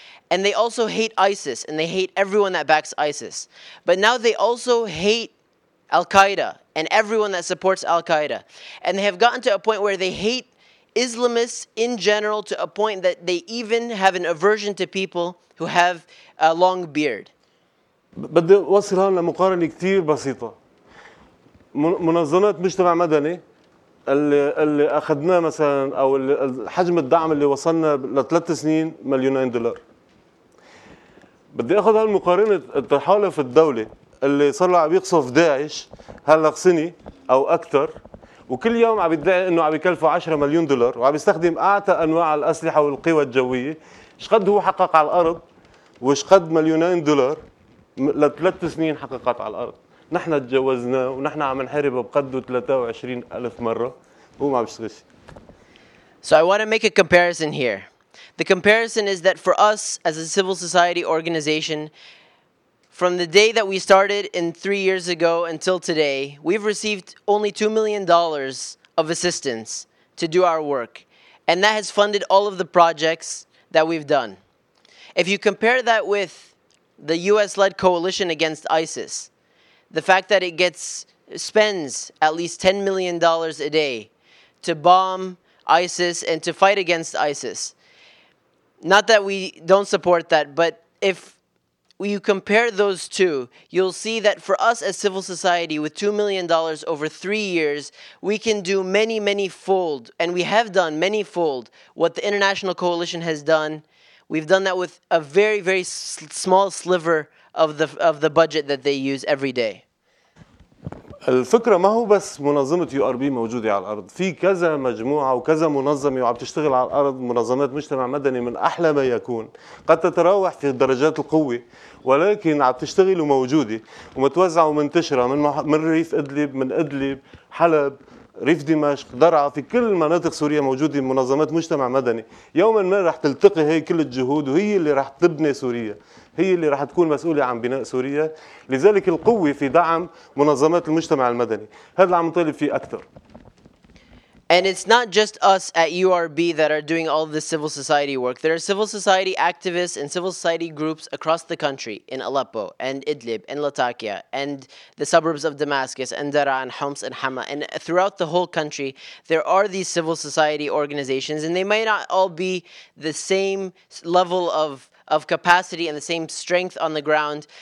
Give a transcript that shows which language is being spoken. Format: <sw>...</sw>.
<en>And they also hate ISIS, and they hate everyone that backs ISIS. But now they also hate Al-Qaeda and everyone that supports Al-Qaeda. And they have gotten to a point where they hate Islamists in general to a point that they even have an aversion to people who have a long beard.</en> <ar>بدي أوصل هنا مقارنة كتير بسيطة. منظمات مجتمع مدني اللي أخذنا مثلاً أو حجم الدعم اللي وصلنا لثلاث سنين مليونين دولار. بدي أخذ هالمقارنة التحالف الدولي اللي صار له عم يقصف داعش هلق سنة أو أكثر وكل يوم عم يدعي إنه عم يكلفه 10 مليون دولار وعم يستخدم أعتى أنواع الأسلحة والقوى الجوية شقد هو حقق على الأرض وشقد مليونين دولار لثلاث سنين حققت على الأرض نحن تجوزنا ونحن عم نحارب بقدو 23 ألف مرة هو ما بيشتغلش</ar> <en>So I want to make a comparison here. The comparison is that for us as a civil society organization, from the day that we started in 3 years ago until today, we've received only $2 million of assistance to do our work. And that has funded all of the projects that we've done. If you compare that with the US-led coalition against ISIS, the fact that it spends at least $10 million a day to bomb ISIS and to fight against ISIS, not that we don't support that, but if you compare those two, you'll see that for us as civil society with $2 million over 3 years, we can do many, many fold, and we have done many fold what the international coalition has done. We've done that with a very, very small sliver of the budget that they use every day.</en> <ar>الفكرة ما هو بس منظمة URB موجودة على الأرض في كذا مجموعة وكذا منظمة وعم تشتغل على الأرض منظمات مجتمع مدني من أحلى ما يكون قد تتراوح في درجات القوة ولكن عم تشتغل وموجودة ومتوزعة ومنتشرة من ريف إدلب من إدلب حلب ريف دمشق درعا في كل مناطق سوريا موجودة منظمات مجتمع مدني يوما ما رح تلتقي هي كل الجهود وهي اللي رح تبني سوريا هي اللي راح تكون مسؤولة عن بناء سوريا لذلك القوة في دعم منظمات المجتمع المدني هذا اللي عم نطالب فيه أكثر</ar> <en>And it's not just us at URB that are doing all this civil society work. There are civil society activists and civil society groups across the country in Aleppo and Idlib and Latakia and the suburbs of Damascus and Dara and Homs and Hama. And throughout the whole country, there are these civil society organizations and they may not all be the same level of capacity and the same strength on the ground.</en>